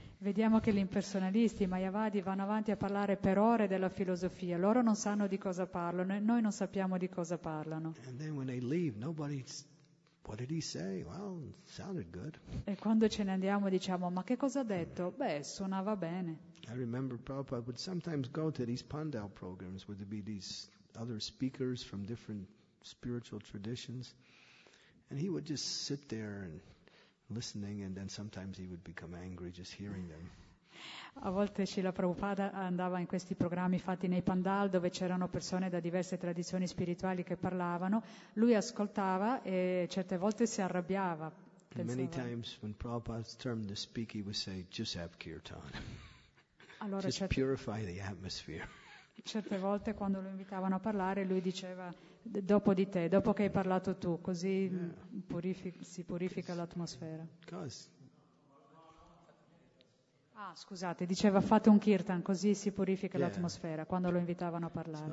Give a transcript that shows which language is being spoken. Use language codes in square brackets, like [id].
[it] Vediamo che gli impersonalisti, i Mayavadi, vanno avanti a parlare per ore della filosofia. Loro non sanno di cosa parlano e noi non sappiamo di cosa parlano. [en] And then when they leave, nobody's, what did he say? Well, it sounded good. [it] E quando ce ne andiamo diciamo, ma che cosa ha detto? Beh, suonava bene. [en] I remember Prabhupada would sometimes go to these Pandal programs where there'd be these other speakers from different spiritual traditions. And he would just sit there and listening, and then sometimes he would become angry just hearing them. [it] A volte Srila Prabhupada andava in questi programmi fatti nei Pandal dove c'erano persone da diverse tradizioni spirituali che parlavano. Lui ascoltava e certe volte si arrabbiava. [en] Many times when Prabhupada termed to speak, he would say, "Just have kirtan. [it] Allora, [en] just purify the atmosphere." [it] Certe volte quando lo invitavano a parlare lui diceva dopo di te, dopo che hai parlato tu, così si purifica l'atmosfera. Ah, scusate, diceva fate un kirtan, così si purifica l'atmosfera quando lo invitavano a parlare.